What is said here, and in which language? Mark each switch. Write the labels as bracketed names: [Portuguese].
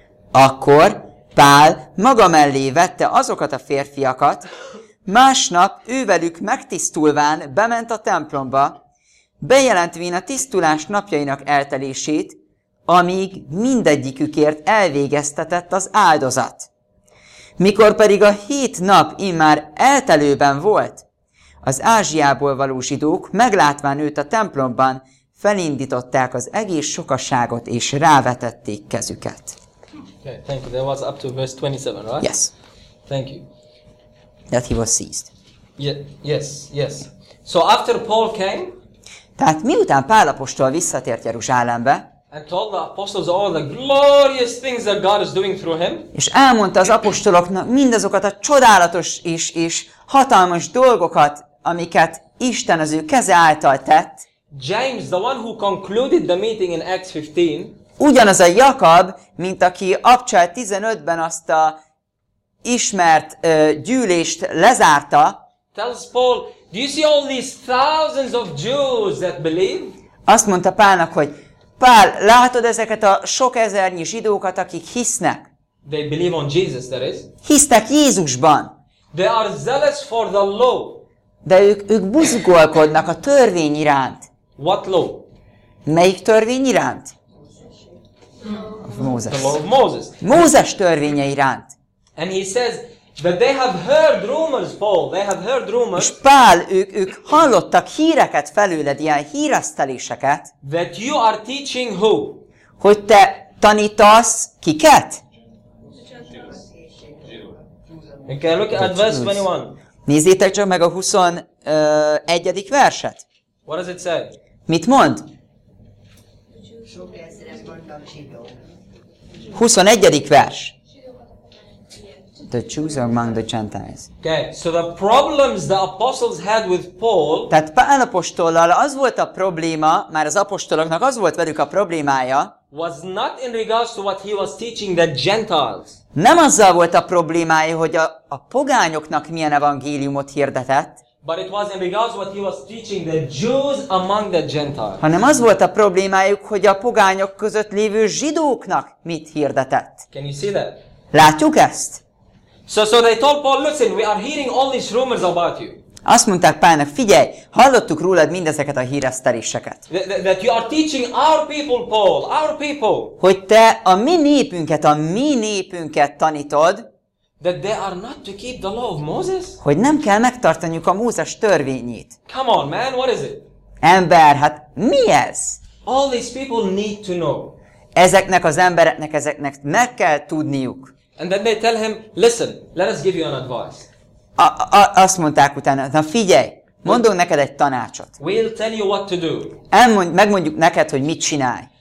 [Hungarian] Akkor Pál maga mellé vette azokat a férfiakat, másnap ővelük megtisztulván bement a templomba, bejelentvén a tisztulás napjainak eltelését, amíg mindegyikükért elvégeztetett az áldozat. Mikor pedig a 7 nap immár eltelőben volt, az Ázsiából való zsidók, meglátván őt a templomban, felindították az egész sokaságot, és rávetették kezüket. [English] Okay, thank you. That was up to verse 27, right? Yes. Thank you. That he was seized. Yes. So after Paul came, [Hungarian] tehát miután Pál apostol visszatért Jeruzsálembe, [English] and told the apostles all the glorious things that God is doing through him, [Hungarian] és elmondta az apostoloknak mindazokat a csodálatos és hatalmas dolgokat, amiket Isten az ő keze által tett. [English] James, the one who concluded the meeting in Acts 15. [Hungarian] Ugyanaz a Jakab, mint aki Abcsel 15-ben azt a ismert gyűlést lezárta. [English] Tells Paul, do you see all these thousands of Jews that believe? [Hungarian] Azt mondta Pálnak, hogy Pál, látod ezeket a sok ezernyi zsidókat, akik hisznek? [English] They believe on Jesus, that is. [Hungarian] Hisznek Jézusban. [English] They are zealous for the law. [Hungarian] De ők buzgolkodnak a törvény iránt. [English] What law? [Hungarian] Melyik törvény iránt? Mózes. [English] The law of Moses. [Hungarian] Mózes törvénye iránt. [English] And he says that they have heard rumors, Paul. They have heard rumors. [Hungarian] És Pál, ők hallottak híreket felőled, ilyen híreszteléseket. [English] That you are teaching who? [Hungarian] Hogy te tanítasz kiket? [English] Okay, look at verse 21. [Hungarian] Nézzétek csak meg a 21. verset. [English] What does it say? [Hungarian] Mit mond? 21. vers. [English] The Jews among the Gentiles. Okay, so the problems the apostles had with Paul. [Hungarian] Tehát Pál apostollal az volt a probléma, már az apostoloknak az volt velük a problémája. [English] Was not in regards to what he was teaching the Gentiles. [Hungarian] Nem azzal volt a problémája, hogy a pogányoknak milyen evangéliumot hirdetett. [English] But it was in regards to what he was teaching the Jews among the Gentiles. [Hungarian] Hanem az volt a problémájuk, hogy a pogányok között lévő zsidóknak mit hirdetett. [English] Can you see that? [Hungarian] Látjuk ezt? [English] So they told Paul, listen, we are hearing all these rumors about you. [Hungarian] Azt mondták Pálnak, figyelj, hallottuk rólad mindezeket a híreszteléseket. [English] That you are teaching our people, Paul, our people. [Hungarian] Hogy te a mi népünket tanítod. [English] That they are not to keep the law of Moses? [Hungarian] Hogy nem kell megtartaniuk a Mózes törvényét. [English] Come on, man, what is it? [Hungarian] Ember, hát mi ez? [English] All these people need to know. [Hungarian] Ezeknek az embereknek, ezeknek meg kell tudniuk. [English] And then they tell him, listen, let us give you an advice. [Hungarian] Azt mondták utána, na figyelj, mondunk neked egy tanácsot. [English] We'll tell you what to do. [Hungarian] Megmondjuk neked, hogy mit csinálj.